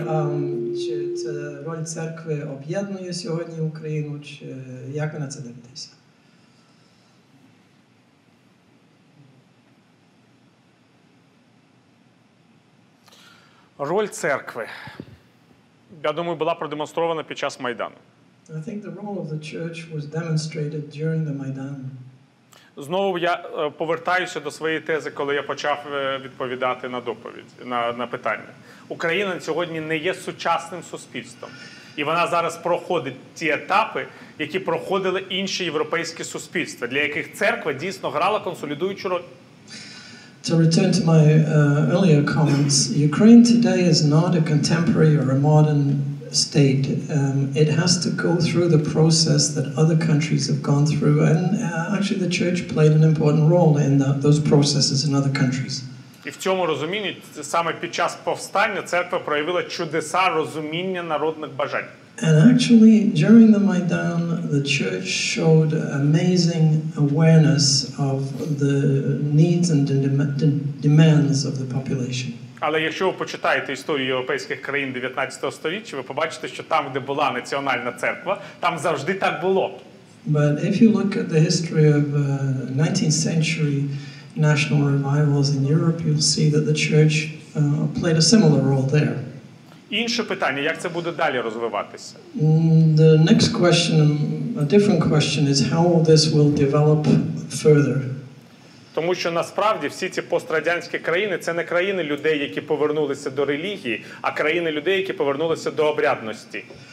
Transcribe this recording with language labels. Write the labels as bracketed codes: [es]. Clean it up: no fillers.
[uk] І, чи це роль церкви об'єднує сьогодні Україну, чи як ви на це дивитеся? Роль церкви, я думаю, була продемонстрована під час Майдану. [en] I think the role of the church was demonstrated during the Maidan. [uk] Знову я повертаюся до своєї тези, коли я почав відповідати на доповідь, на питання. Україна сьогодні не є сучасним суспільством. І вона зараз проходить ті етапи, які проходили інші європейські суспільства, для яких церква дійсно грала консолідуючу роль. [en] To return to my earlier comments, Ukraine today is not a contemporary or a modern state. It has to go through the process that other countries have gone through, and actually the church played an important role in those processes in other countries. [uk] І в цьому розумінні саме під час повстання церква проявила чудеса розуміння народних бажань. [en] And actually during the Maidan the church showed amazing awareness of the needs and demands of the population. [uk] Але якщо ви почитаєте історію європейських країн 19 століття, ви побачите, що там, де була національна церква, там завжди так було. [en] But if you look at the history of 19th century national revivals in Europe, you'll see that the church played a similar role there. [uk] Інше питання, як це буде далі розвиватися? [en] The next question, a different question is how this will develop further. [uk] Тому що насправді всі ці пострадянські країни – це не країни людей, які повернулися до релігії, а країни людей, які повернулися до обрядності.